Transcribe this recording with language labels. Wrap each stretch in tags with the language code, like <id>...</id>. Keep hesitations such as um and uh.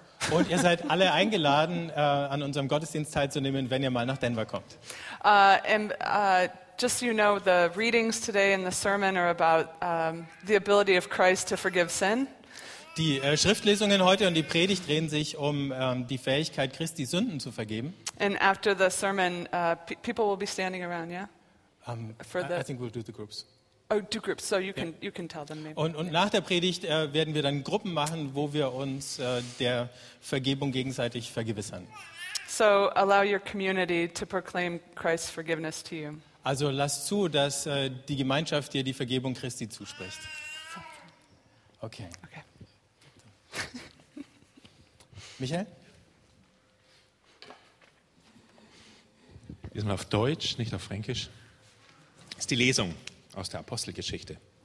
<de>Und ihr seid alle eingeladen, äh, an unserem Gottesdienst teilzunehmen, wenn ihr mal nach Denver kommt.</de> <en>Uh, and, uh, just so you know, the readings today in the sermon are about um, the ability of Christ to forgive sin.</en> <de>Die uh, Schriftlesungen heute und die Predigt drehen sich um, um die Fähigkeit Christi Sünden zu vergeben.</de> <en>And after the sermon, uh, people will be standing around, yeah. Um, For the... I think we'll do the groups. Oh, groups, so you can yeah. you can tell them maybe.</en> <de>Und, und yeah. Predigt uh, werden wir dann Gruppen machen, wo wir uns der Vergebung gegenseitig vergewissern.</de> <en>So allow your community to proclaim Christ's forgiveness to you.</en> <de>Also lass zu, dass die Gemeinschaft dir die Vergebung Christi zuspricht.</de> <en>Okay. okay. Michael?</en> <de>Diesmal auf Deutsch, nicht auf Fränkisch. Das ist die Lesung aus der Apostelgeschichte.</de>